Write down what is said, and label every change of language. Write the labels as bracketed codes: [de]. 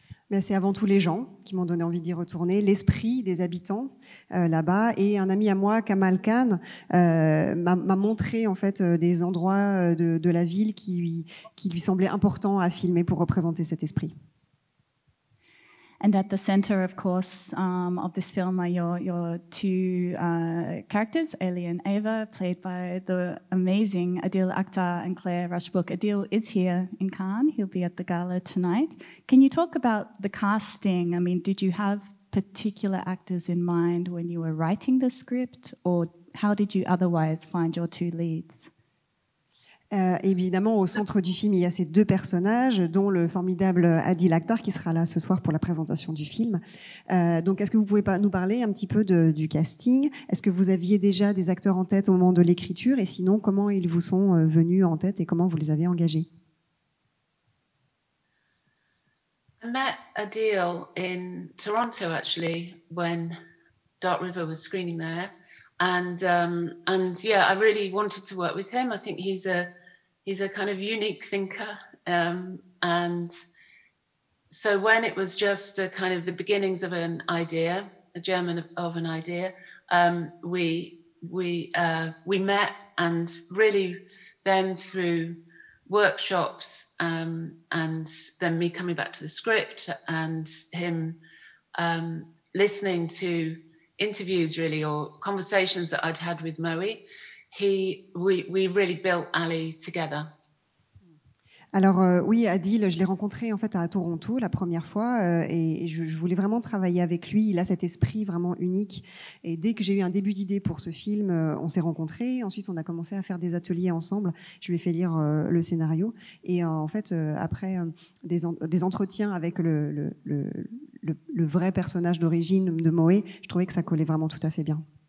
[fr] Mais c'est avant tout les gens qui m'ont donné envie d'y retourner, l'esprit des habitants là-bas. Et un ami à moi, Kamal Khan, m'a montré en fait des endroits de la ville qui lui semblaient importants à filmer pour représenter cet esprit. [en] And at the center, of course, of this film are your two characters, Ali and Ava, played by the amazing Adil Akhtar and Claire Rushbrook. Adil is here in Cannes. He'll be at the gala tonight. Can you talk about the casting? I mean, did you have particular actors in mind when you were writing the script, or how did you otherwise find your two leads? [fr] Évidemment, au centre du film, il y a ces deux personnages, dont le formidable Adil Akhtar, qui sera là ce soir pour la présentation du film. Donc, est-ce que vous pouvez nous parler un petit peu du casting? Est-ce que vous aviez déjà des acteurs en tête au moment de l'écriture? Et sinon, comment ils vous sont venus en tête et comment vous les avez engagés? [en] I met Adil in Toronto, actually, when Dark River was screening there. And I really wanted to work with him. I think he's a kind of unique thinker. And so when it was just a kind of the beginnings of an idea, a germen of an idea, we met, and really then through workshops and then me coming back to the script and him listening to interviews really, or conversations that I'd had with Moe, we really built Ali together. [fr] Alors oui, Adil, je l'ai rencontré en fait à Toronto la première fois et je voulais vraiment travailler avec lui. Il a cet esprit vraiment unique et dès que j'ai eu un début d'idée pour ce film, on s'est rencontrés. Ensuite, on a commencé à faire des ateliers ensemble. Je lui ai fait lire le scénario et en fait, après des entretiens avec le vrai personnage d'origine de Moe, je trouvais que ça collait vraiment tout à fait bien.